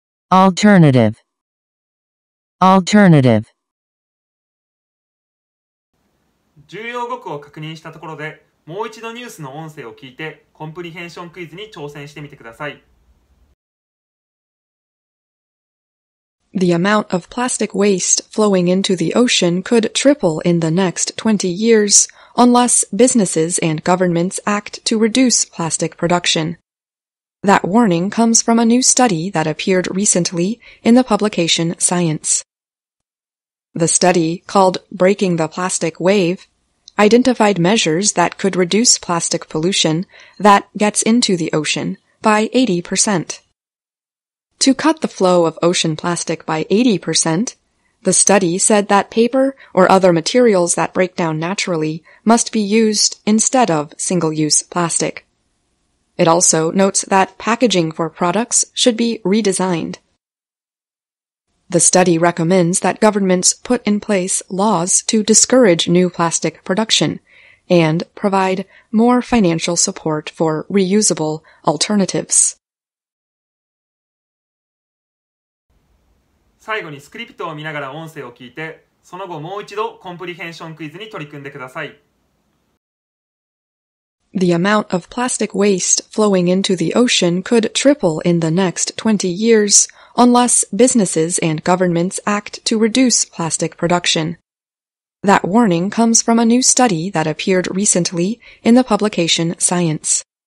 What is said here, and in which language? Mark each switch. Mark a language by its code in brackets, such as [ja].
[en] Alternative, alternative. [ja] 重要語句を確認したところで、もう一度ニュースの音声を聞いてコンプリヘンションクイズに挑戦してみてください。 [en] The amount of plastic waste flowing into the ocean could triple in the next 20 years unless businesses and governments act to reduce plastic production. That warning comes from a new study that appeared recently in the publication Science. The study, called Breaking the Plastic Wave,identified measures that could reduce plastic pollution that gets into the ocean by 80%. To cut the flow of ocean plastic by 80%, the study said that paper or other materials that break down naturally must be used instead of single-use plastic. It also notes that packaging for products should be redesigned. The study recommends that governments put in place laws to discourage new plastic production and provide more financial support for reusable alternatives. [ja] 最後にスクリプトを見ながら音声を聞いて、その後もう一度コンプリヘンションクイズに取り組んでください。 [en] The amount of plastic waste flowing into the ocean could triple in the next 20 years. Unless businesses and governments act to reduce plastic production. That warning comes from a new study that appeared recently in the publication Science.